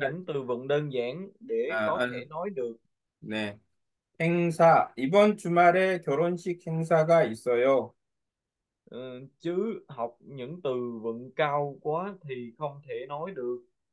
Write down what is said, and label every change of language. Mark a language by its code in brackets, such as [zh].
[vi] những từ vựng đơn giản để có thể nói được. [ko] 네. 행사 이번 주말에 결혼식 행사가 있어요. [vi] Chứ học những từ vựng cao quá thì không thể nói được.